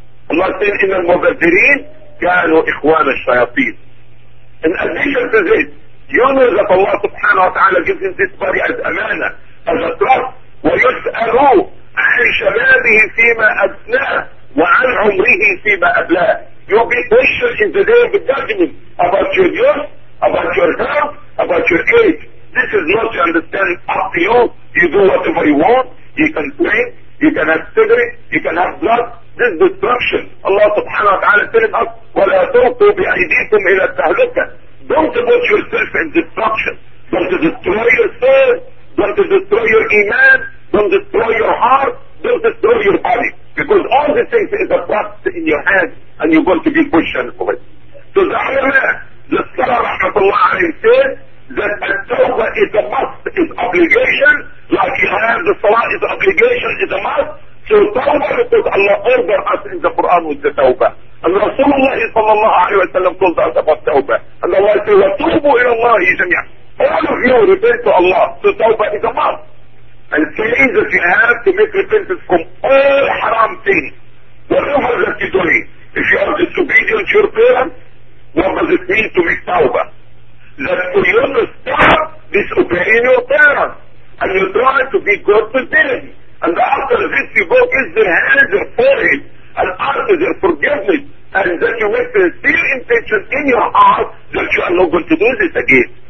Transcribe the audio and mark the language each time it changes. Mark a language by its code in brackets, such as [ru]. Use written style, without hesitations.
[en] Allah said, [ar] إِنَّ الْمُبَذِّرِينَ كَانُوا إِخْوَانَ الشَّيَاطِينَ. [en] In addition to this, you know that Allah subhanahu wa ta'ala gives him this body as amana, as a trust. [ar] وَيُسْأَلُوا عَنْ شَبَابِهِ فِيمَا أَبْنَاهُ وَعَنْ عُمْرِهِ فِيمَا أَبْلَاهُ. [en] You'll be questioned in the day of judgment about your youth, about your health, about your age. This is not to understand up to you. You do whatever you want. You can drink. You can have cigarettes. You can have blood. This is destruction. Allah subhanahu wa ta'ala said it up. [ar] وَلَا تُوْتُوا بِأَيْدِيكُمْ إِلَى التَّهْلُكَةِ. [en] Don't put yourself in destruction. Don't destroy your soul. Don't destroy your iman. Don't destroy your heart. Don't destroy your body. Because all these things is a trust in your hands, and you're going to be pushed for it. So the ulama, the scholar rahmatullah alayhi said that a tawbah is a must, is obligation, like you have the salah is obligation, is a must. So tawbah, because Allah order us in the Quran with the tawbah. And Rasulullah sallallahu alayhi wa sallam told us about tawbah. And Allah said, [ar] وَتُوبُوا إِلَى اللَّهِ جَمِيعًا. [en] All of you repent to Allah. So tawbah is a must. And saying that you have to make repentance from all haram things, whatever that you're doing. If you are disobedient to your parents, what does it mean to make tawbah? That for you to stop disobeying your parents, and you try to be good to them, and after this you go kiss their hands, their forehead, and ask their forgiveness, and that you make the same intention in your heart that you are not going to do this again.